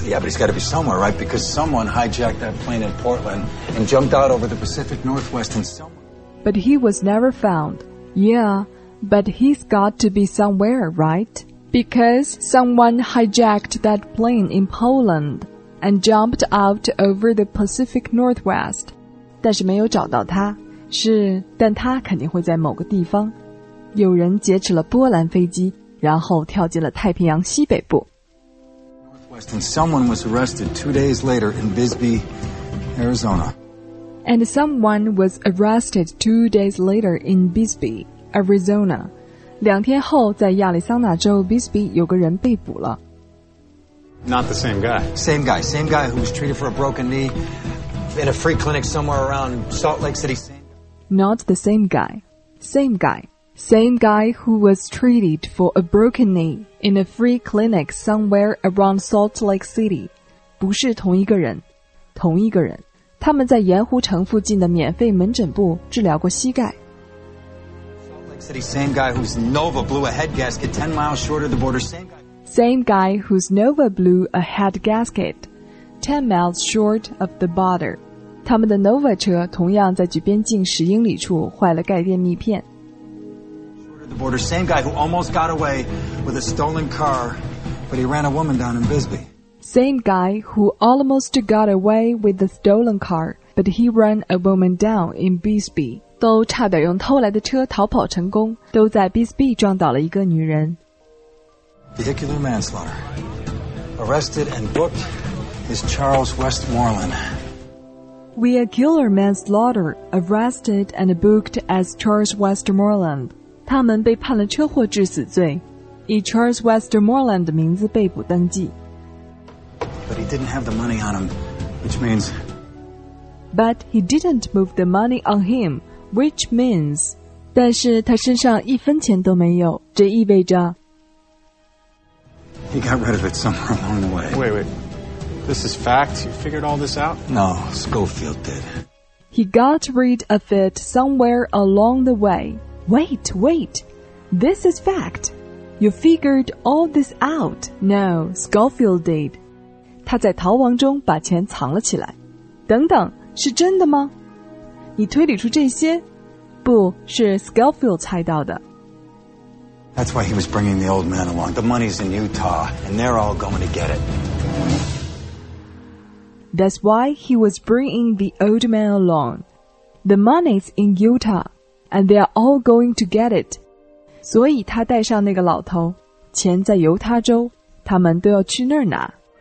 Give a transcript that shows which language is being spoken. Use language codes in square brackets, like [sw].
[en] Yeah, but he's got to be somewhere, right? Because someone hijacked that plane in Portland and jumped out over the Pacific Northwest and someone... But he was never found. Yeah, but he's got to be somewhere, right? Because someone hijacked that plane in Poland and jumped out over the Pacific Northwest. [zh] 但是没有找到他，是，但他肯定会在某个地方。有人劫持了波兰飞机，然后跳进了太平洋西北部。 [en] And someone was arrested 2 days later in Bisbee, Arizona. and someone was arrested 2 days later in Bisbee, Arizona. [zh] 两天后在亚利桑那州 Bisbee 有个人被捕了。 [en] Not the same guy. Same guy who was treated for a broken knee in a free clinic somewhere around Salt Lake City. Not the same guy. Same guy. Same guy who was treated for a broken knee in a free clinic somewhere around Salt Lake City. [zh] 不是同一个人。同一个人。他们在盐湖城附近的免费门诊部治疗过膝盖。 [en] Salt Lake City, same guy whose Nova blew a head gasket 10 miles short of the border. Same guy whose Nova blew a head gasket 10 miles short of the border. [zh] 他们的 Nova 车同样在距边境10英里处坏了盖电密片。 [en] Short of the border, same guy who almost got away with a stolen car, but he ran a woman down in Bisbee. Same guy who almost got away with the stolen car, but he ran a woman down in Bisbee. [zh] 都差点用偷来的车逃跑成功，都在 Bisbee 撞倒了一个女人。 [en] Vehicular manslaughter. Arrested and booked is Charles Westmoreland. Vehicular manslaughter. Arrested and booked as Charles Westmoreland. [zh] 他们被判了车祸致死罪，以 Charles Westmoreland 的名字被捕登记。 [en] But he didn't have the money on him, which means... But he didn't move the money on him, which means... [zh] 但是他身上一分钱都没有，这意味着... [en] He got rid of it somewhere along the way. Wait. This is fact? You figured all this out? No, Schofield did. He got rid of it somewhere along the way. Wait. This is fact. You figured all this out? No, Schofield did. [zh] 他在逃亡中把钱藏了起来。等等，是真的吗？你推理出这些？不是 Schofield 猜到的。 [en] That's why he was bringing the old man along. The money's in Utah, and they're all going to get it. That's why he was bringing the old man along. The money's in Utah, and they're all going to get it. [zh] 所以他带上那个老头，钱在犹他州，他们都要去那儿拿。